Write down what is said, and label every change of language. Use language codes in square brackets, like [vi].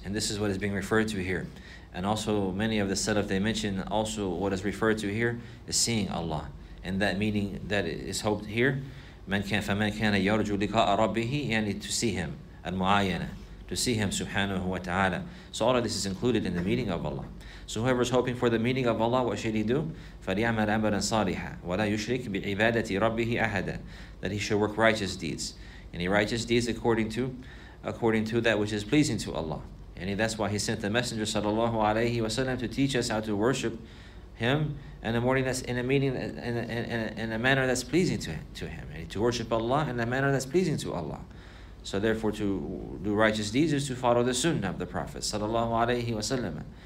[en] And this is what is being referred to here. And also many of the Salaf, they mention also what is referred to here is seeing Allah. And that meaning that is hoped here, [ar] فَمَنْ كَانَ يَرْجُوا لِقَاءَ رَبِّهِ, [en] يعني to see Him, المعاينة, to see Him, Subhanahu wa ta'ala. So all of this is included in the meeting of Allah. So whoever is hoping for the meeting of Allah, what should he do? [ar] فَلْيَعْمَلْ عَمَلًا صَالِحًا وَلَا يُشْرِكْ بِعِبَادَةِ رَبِّهِ أَحَدًا, [en] that he should work righteous deeds. Any righteous deeds according to that which is pleasing to Allah. And that's why he sent the Messenger sallallahu alayhi wa sallam to teach us how to worship him in a morning that's in a meeting in a manner that's pleasing to him. And to worship Allah in a manner that's pleasing to Allah. So therefore to do righteous deeds is to follow the sunnah of the Prophet sallallahu alayhi wa sallam.